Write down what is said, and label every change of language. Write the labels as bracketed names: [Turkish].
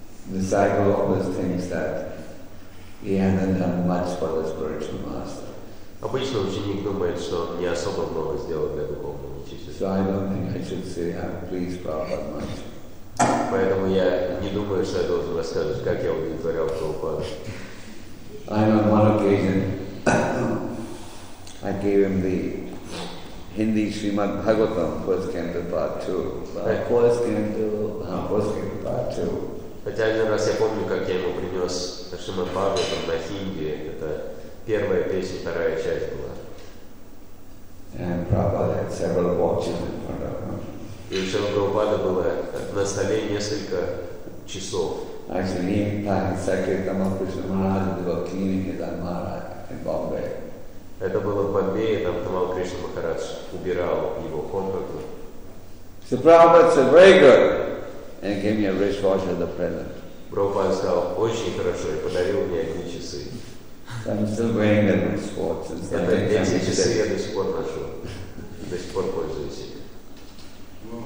[English] The disciple always thinks that he hasn't done much for the spiritual master. [Russian] Обычно ученик думает, что не особо много сделал для духовного учителя. [English] So I don't think I should say I'm pleased Prabhupada much. [Russian] Поэтому я не думаю, что я должен рассказывать, как я удовлетворял Прабхупаду. [English] I know on one occasion I gave him the Hindi Srimad Bhagavatam, first canto part 2. First canto part 2. [Russian] Хотя один раз я помню, как я ему принес Шримад Бхагаватам на хинди. Это первая песня, вторая часть была. [English] And Prabhupada had several watches in front of him. [Russian] И у Шрилы Прабхупады было на столе несколько часов. [English] Actually, in time, Sakya Kamal Krishna Maharaj was cleaning his almara in Bombay. [Russian] Это было в Бомбее, там Камал Кришна Махарадж убирал его комнату. [English] So Prabhupada said, very good. And gave me a wristwatch as a present. [Russian] Прабхупада сказал, очень хорошо, и подарил мне одни часы. [English] I'm still wearing them in sports. [Russian] Это эти часы я до сих пор ношу. До сих пор пользуюсь ими.